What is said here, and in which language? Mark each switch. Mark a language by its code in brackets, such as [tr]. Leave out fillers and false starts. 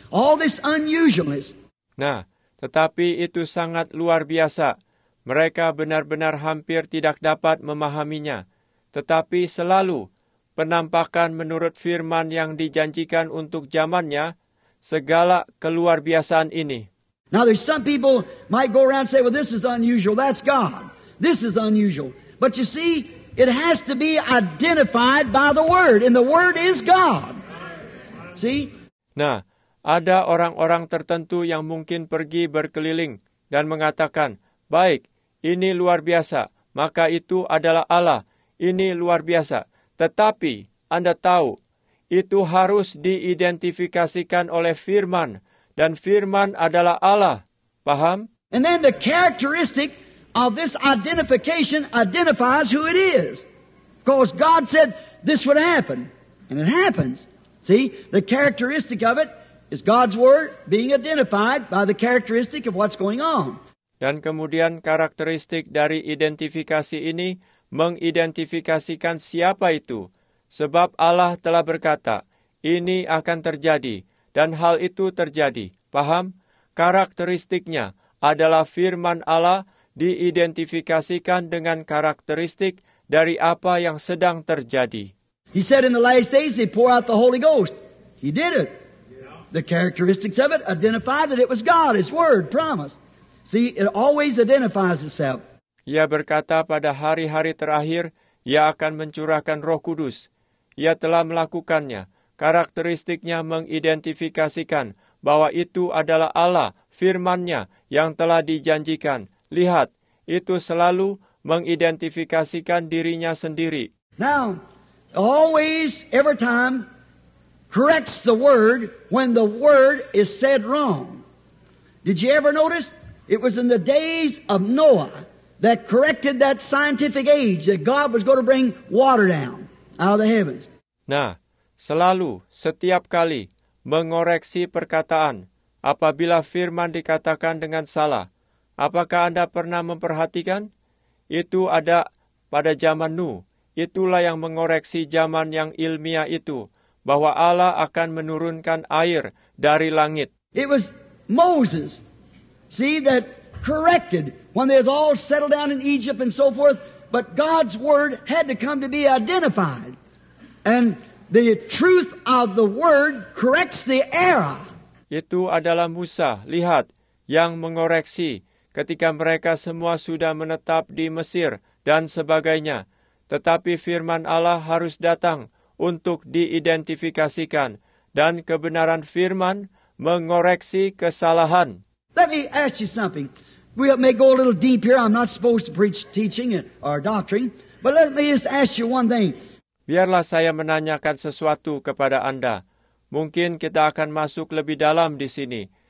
[en] All this unusualness. [id] Nah, tetapi itu sangat luar biasa. Mereka benar-benar hampir tidak dapat memahaminya. Tetapi selalu penampakan menurut firman yang dijanjikan untuk zamannya, segala keluar biasaan ini. [en] Now there's some people might go around and say, well, this is unusual, that's God. This is unusual. But you see, it has to be identified by the Word, and the Word is God. See? [id] Nah, ada orang-orang tertentu yang mungkin pergi berkeliling dan mengatakan, baik, ini luar biasa, maka itu adalah Allah, ini luar biasa. Tetapi, Anda tahu, itu harus diidentifikasikan oleh firman, dan firman adalah Allah. Paham? [en] And then the characteristic of this identification identifies who it is. Because God said this would happen, and it happens. See, the characteristic of it is God's word being identified by the characteristic of what's going on. [id] Dan kemudian karakteristik dari identifikasi ini mengidentifikasikan siapa itu. Sebab Allah telah berkata, ini akan terjadi, dan hal itu terjadi. Paham? Karakteristiknya adalah firman Allah diidentifikasikan dengan karakteristik dari apa yang sedang terjadi. [en] He said in the last days he pour out the Holy Ghost. He did it. The characteristics of it identify that it was God, His word, promise. See, it always identifies itself. [id] Ia berkata pada hari-hari terakhir, ia akan mencurahkan Roh Kudus. Ia telah melakukannya. Karakteristiknya mengidentifikasikan bahwa itu adalah Allah, firman-Nya yang telah dijanjikan. Lihat, itu selalu mengidentifikasikan dirinya sendiri. [en] Now, always, every time, corrects the word when the word is said wrong. Did you ever notice? It was in the days of Noah that corrected that scientific age that God was going to bring water down out of the heavens. [id] Nah, selalu, setiap kali, mengoreksi perkataan apabila firman dikatakan dengan salah. Apakah Anda pernah memperhatikan? Itu ada pada zaman Nuh. Itulah yang mengoreksi zaman yang ilmiah itu, bahwa Allah akan menurunkan air dari langit. [en] It was Moses, see, that corrected when they was all settled down in Egypt and so forth, but God's word had to come to be identified. And the truth of the word corrects the error. [id] Itu adalah Musa, lihat, yang mengoreksi ketika mereka semua sudah menetap di Mesir dan sebagainya. Tetapi firman Allah harus datang untuk diidentifikasikan. Dan kebenaran firman mengoreksi kesalahan. [en] Let me ask you something. We may go a little deep here. I'm not supposed to preach teaching or doctrine. But let me just ask you one thing. [id] Biarlah saya menanyakan sesuatu kepada Anda. Mungkin kita akan masuk lebih dalam di sini.